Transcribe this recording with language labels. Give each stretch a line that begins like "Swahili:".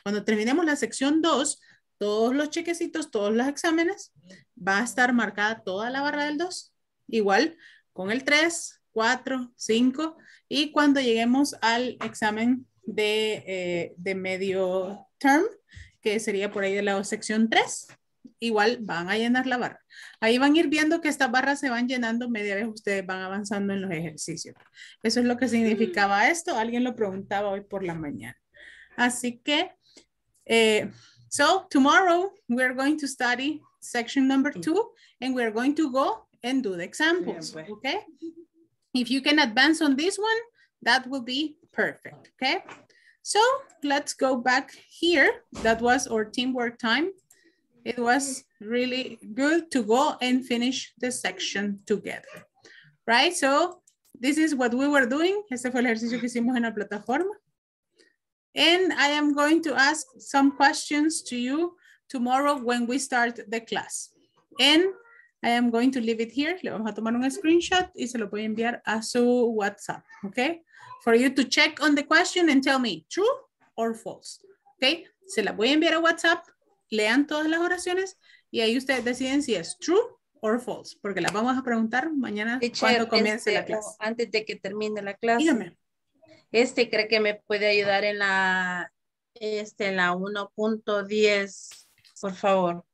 Spanish: Cuando terminemos la sección 2, todos los chequecitos, todos los exámenes, va a estar marcada toda la barra del 2, igual con el 3, 4, 5, y cuando lleguemos al examen de medio term, que sería por ahí de la sección 3, igual van a llenar la barra. Ahí van a ir viendo que estas barras se van llenando media vez ustedes van avanzando en los ejercicios. Eso es lo que significaba esto. Alguien lo preguntaba hoy por la mañana. Así que,
English: so tomorrow we are going to study section number 2 and we are going to go and do the examples, okay? If you can advance on this one, that will be perfect, okay? So let's go back here. That was our teamwork time. It was really good to go and finish the section together, right? So this is what we were doing.
Spanish: Este fue el ejercicio que hicimos en la plataforma.
English: And I am going to ask some questions to you tomorrow when we start the class. And I am going to leave it here.
Spanish: Le vamos a tomar un screenshot y se lo voy a enviar a su WhatsApp, okay?
English: For you to check on the question and tell me true or false, okay?
Spanish: Se la voy a enviar a WhatsApp. Lean todas las oraciones y ahí ustedes deciden si es true or false, porque las vamos a preguntar mañana cuando comience la clase. Antes de que termine la clase. Dígame. ¿Cree que me puede ayudar en la 1.10, por favor?